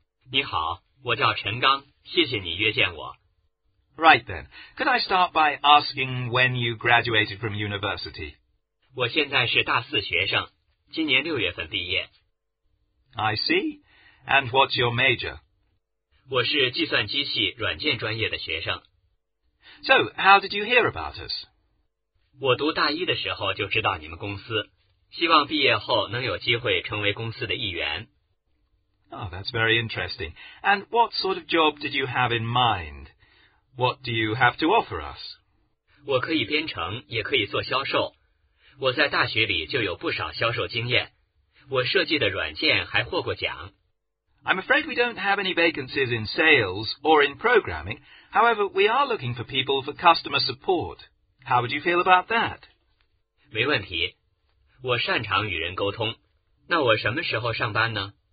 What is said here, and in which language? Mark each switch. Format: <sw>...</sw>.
<zh>你好，我叫陈刚，谢谢你约见我。</zh> <en>Right then. Could I start by asking when you graduated from university?</en> <zh>我现在是大四学生，今年六月份毕业。</zh> <en>I see. And what's your major?</en> <zh>我是计算机系软件专业的学生。</zh> <en>So, how did you hear about us?</en> <zh>我读大一的时候就知道你们公司，希望毕业后能有机会成为公司的一员。</zh> <en>Oh, that's very interesting. And what sort of job did you have in mind? What do you have to offer us?</en> <zh>我可以编程，也可以做销售。我在大学里就有不少销售经验。我设计的软件还获过奖。</zh> <en>I'm afraid we don't have any vacancies in sales or in programming. However, we are looking for people for customer support. How would you feel about that?</en> <zh>没问题。我擅长与人沟通。那我什么时候上班呢？</zh>